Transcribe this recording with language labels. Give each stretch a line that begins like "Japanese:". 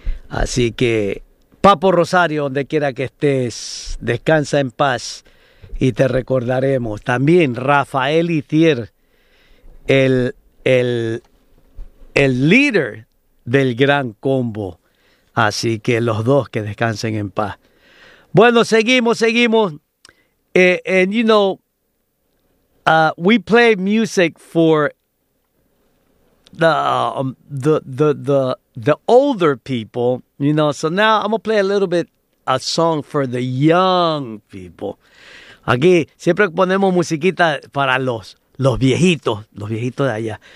Spanish: Así que, Papo Rosario, donde quiera que estés, descansa en paz y te recordaremos. También Rafael Itier, el líder del gran combo. Así que los dos que descansen en paz. Bueno, seguimos.
English: And you know, we play music for the older people, you know. So now I'm going to play a little bit a song for the young people.
Spanish: Aquí siempre ponemos musiquita para los viejitos de allá.